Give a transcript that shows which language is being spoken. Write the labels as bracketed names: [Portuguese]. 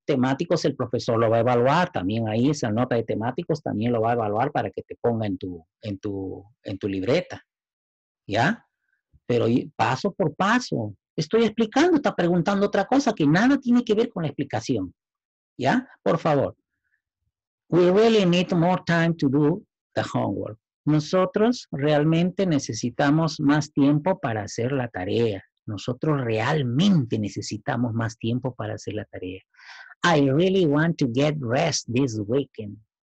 [Spanish] Temáticos el profesor lo va a evaluar, también ahí esa nota de temáticos también lo va a evaluar para que te ponga en tu libreta, ¿ya? Pero paso por paso, estoy explicando, está preguntando otra cosa que nada tiene que ver con la explicación, ¿ya? Por favor. [English] We really need more time to do the homework. [Spanish] Nosotros realmente necesitamos más tiempo para hacer la tarea. Nosotros realmente necesitamos más tiempo para hacer la tarea. [English] I really want to get rest this weekend.